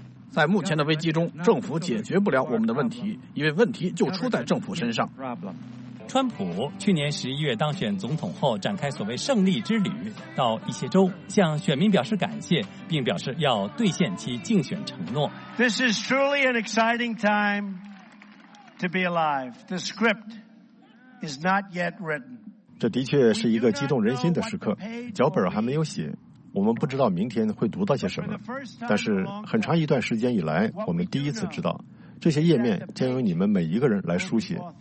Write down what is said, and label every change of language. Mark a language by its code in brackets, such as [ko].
[zh] 在目前的危机中，政府解决不了我们的问题，因为问题就出在政府身上。川普去年11月当选总统后展开所谓胜利之旅，到一些州向选民表示感谢，并表示要兑现其竞选承诺。 [en] This is truly an exciting time to be alive. The script is not yet written. [zh] 这的确是一个激动人心的时刻，脚本还没有写。我们不知道明天会读到些什么，但是很长一段时间以来，我们第一次知道这些页面将由你们每一个人来书写。